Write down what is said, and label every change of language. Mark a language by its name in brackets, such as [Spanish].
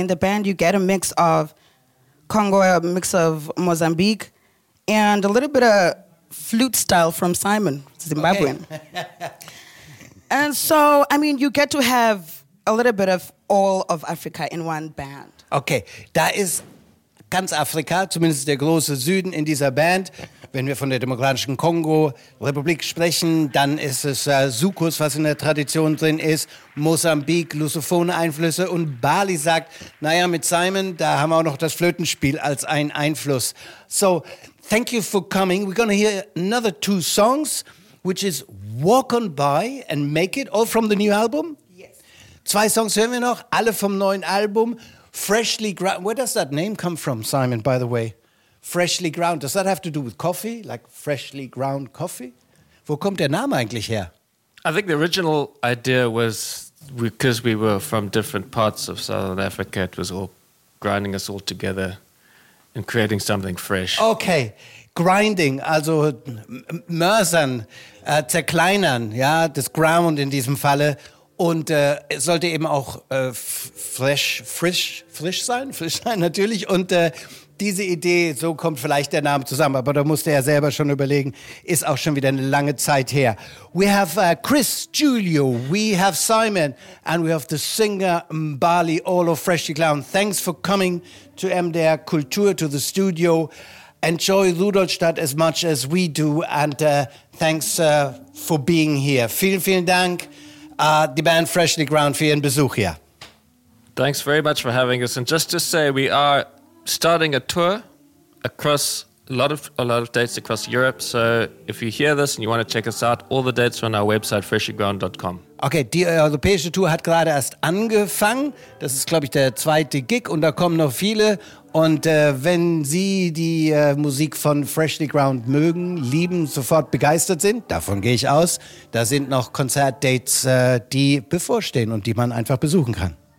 [English] In the band, you get a mix of Congo, a mix of Mozambique, and a little bit of flute style from Simon, Zimbabwean. Okay. And so, I mean, you get to have a little bit of all of Africa in one band. [German] Okay, da ist ganz Afrika, zumindest der große Süden in dieser Band. Wenn wir von der Demokratischen Kongo-Republik sprechen, dann ist es Soukous, was in der Tradition drin ist, Mosambik, lusophone Einflüsse. Und Bali sagt, naja, mit Simon, da haben wir auch noch das Flötenspiel als einen Einfluss. [English] So, thank you for coming. We're going to hear another two songs, which is Walk On By and Make It, all from the new album. Yes. [German] Zwei Songs hören wir noch, alle vom neuen Album. [English] Freshly ground. Where does that name come from, Simon, by the way? Freshly ground. Does that have to do with coffee? Like freshly ground coffee? [German] Wo kommt der Name eigentlich her? [English] I think the original idea was because we were from different parts of Southern Africa, it was all grinding us all together and creating something fresh. [German] Okay. Grinding, also mörsern, zerkleinern, ja, das ground in diesem Falle. Und es sollte eben auch frisch sein, frisch sein natürlich. Und diese Idee, so kommt vielleicht der Name zusammen, aber da musste er selber schon überlegen, ist auch schon wieder eine lange Zeit her. [English] We have Chris, Julio, we have Simon and we have the singer Mbali, all of Freshly Clown. Thanks for coming to MDR Kultur, to the studio. Enjoy Ludolstadt as much as we do and thanks for being here. [German] Vielen, vielen Dank. Die Band Freshly Ground für Ihren Besuch hier. [English] Thanks very much for having us. And just to say, we are starting a tour across a lot of dates across Europe. So if you hear this and you want to check us out, all the dates are on our website, freshlyground.com. [German] Okay, die europäische Tour hat gerade erst angefangen. Das ist, glaube ich, der zweite Gig und da kommen noch viele. Und wenn Sie die Musik von Freshly Ground mögen, lieben, sofort begeistert sind, davon gehe ich aus, da sind noch Konzertdates, die bevorstehen und die man einfach besuchen kann.